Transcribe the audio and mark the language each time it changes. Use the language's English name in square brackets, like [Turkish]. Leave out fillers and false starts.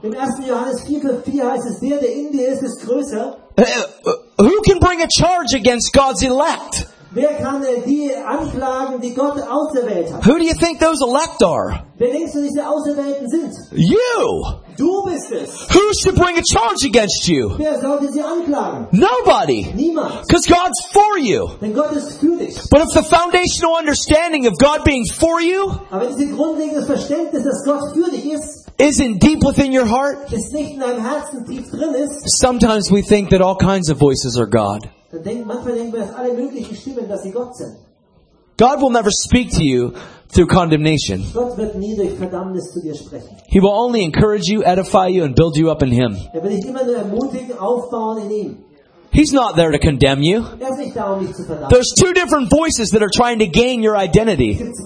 [German] In 1 Johannes 4:4 heißt es, der in dir ist, ist größer. [English] Who can bring a charge against God's elect? [German] Wer kann die Anklagen, die Gott auserwählt hat? [English] Who do you think those elect are? [German] Wer denkst du, diese Auserwählten sind? [English] You! [German] Du bist es. [English] Who should bring a charge against you? [German] Wer sollte sie anklagen? [English] Nobody! [German] Niemand! [English] Because God's for you! [German] Denn Gott ist für dich. [English] But if the foundational understanding of God being for you, [German] aber wenn dieses grundlegende Verständnis, dass Gott für dich ist, [English] isn't deep within your heart, [German] ist nicht in deinem Herzen tief drin ist, [English] sometimes we think that all kinds of voices are God. [German] Manchmal denken wir, dass alle möglichen Stimmen, dass sie Gott sind. [English] God will never speak to you through condemnation. [German] Gott wird nie durch Verdammnis zu dir sprechen. [English] He will only encourage you, edify you, and build you up in Him. [German] Er wird dich immer nur ermutigen, aufbauen in ihm. [English] He's not there to condemn you. There's two different voices that are trying to gain your identity.